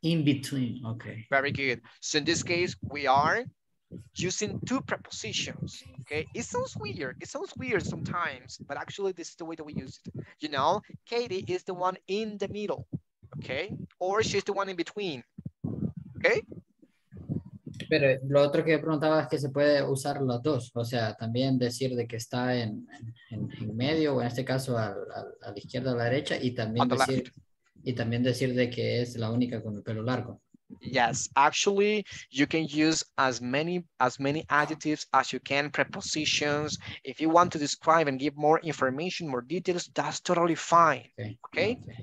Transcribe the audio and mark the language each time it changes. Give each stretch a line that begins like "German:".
English: In between, okay. Very good. So in this case, we are using two prepositions, okay? It sounds weird. It sounds weird sometimes, but actually this is the way that we use it. You know, Katie is the one in the middle, okay? Or she's the one in between, okay?
Spanish: Pero lo otro que preguntaba es que se puede usar los dos, o sea, también decir de que está en medio, o en este caso a la izquierda o a la derecha, y también decir de que es la única con el pelo largo.
English: Yes, actually, you can use as many adjectives as you can, prepositions. If you want to describe and give more information, more details, that's totally fine, okay?